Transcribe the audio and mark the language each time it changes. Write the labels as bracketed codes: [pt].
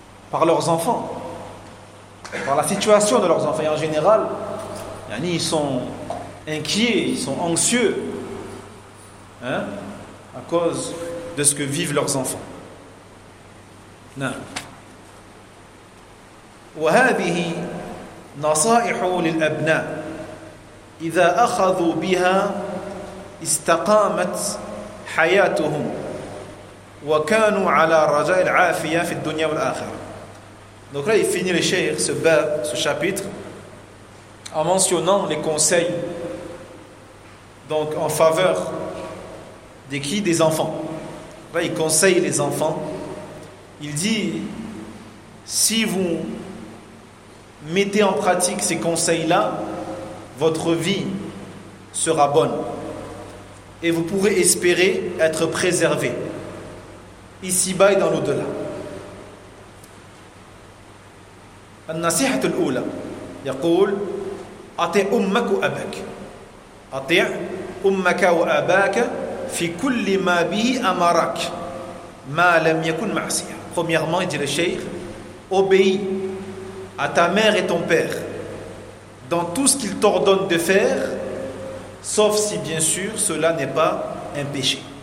[fr] par leurs enfants, par la situation de leurs enfants. Et en général, ils sont inquiets, ils sont anxieux, hein, à cause de ce que vivent leurs enfants. Non. [ar] وهذه نصائح للأبناء إذا أخذوا بها استقامت حياتهم وكانوا على رجاء العافية في الدنيا والآخرة. [fr] Donc là, il finit le shaykh, ce chapitre, en mentionnant les conseils donc en faveur des qui ? Des enfants. Là, il conseille les enfants. Il dit, si vous mettez en pratique ces conseils-là, votre vie sera bonne. Et vous pourrez espérer être préservé, ici-bas et dans l'au-delà. [ar] النصيحة الأولى يقول أطع أمك وأباك أطع أمك وأباك في كل ما به أمرك ما لم يكن معصية. [fr] Premièrement, dit le Cheikh, obéis à ta mère et ton père dans tout ce qu'ils t'ordonnent de faire, sauf si bien sûr cela n'est pas un péché.